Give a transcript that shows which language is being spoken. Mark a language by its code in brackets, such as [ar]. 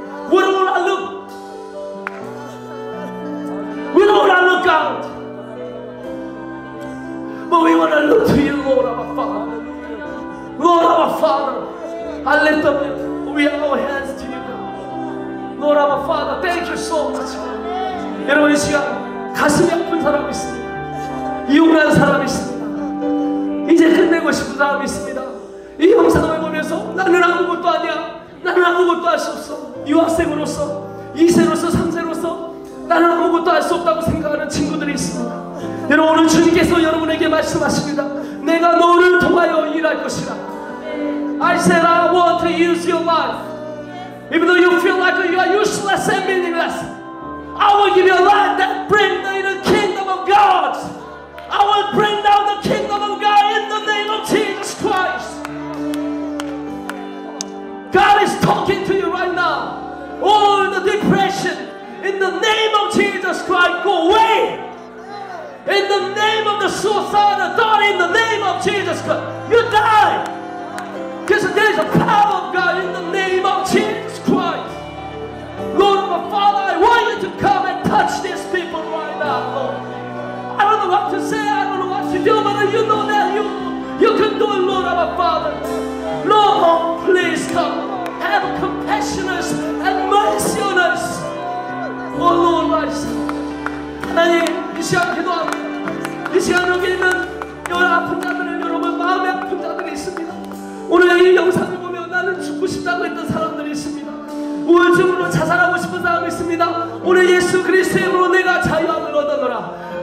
[en] We don't want to look. We don't want to look out. But we want to look to you, Lord, Abba Father. Lord, Abba Father, I lift up our hands to you. Lord, our Father, thank you so much. [ko] 여러분, 이 시간 가슴이 아픈 사람이 있습니다. 이혼한 사람이 있습니다. 이제 끝내고 싶은 사람이 있습니다. 이 영상을 보면서 나는 아무것도 아니야. 나는 아무것도 할 수 없어. 유학생으로서, 2세로서, 3세로서 나는 아무것도 할 수 없다고 생각하는 친구들이 있습니다. 여러분, 오늘 주님께서 여러분에게 말씀하십니다. 내가 너를 통하여 일할 것이라. [en] I said I want to use your life. Even though you feel like you are useless and meaningless, I will give you a life that brings you the kingdom of God. I will bring down the kingdom of God in the name of Jesus Christ. God is talking to you right now. All the depression, in the name of Jesus Christ, go away. In the name of the suicidal thought, in the name of Jesus Christ, you die. Because there is a power of God in the name of Jesus Christ. Lord, my Father, I want you to come and touch these people right now, Lord. I don't know what to say, I don't know what to do, but you know that you can do it, Lord, my Father. Lord, please come. Have compassion on us and mercy on us. Oh, Lord, my Son. [ko] 하나님, 이 시간 기도합니다. 이 시간 여기 있는 여러 아픈 자들은 여러분 마음에 아픈 자들이 있습니다. 오늘 이 영상을 보면 나는 죽고 싶다고 했던 사람들이 있습니다. 우울증으로 자살하고 싶은 사람이 있습니다. 오늘 예수 그리스도의 이름으로 내가 자유함을 얻었노라.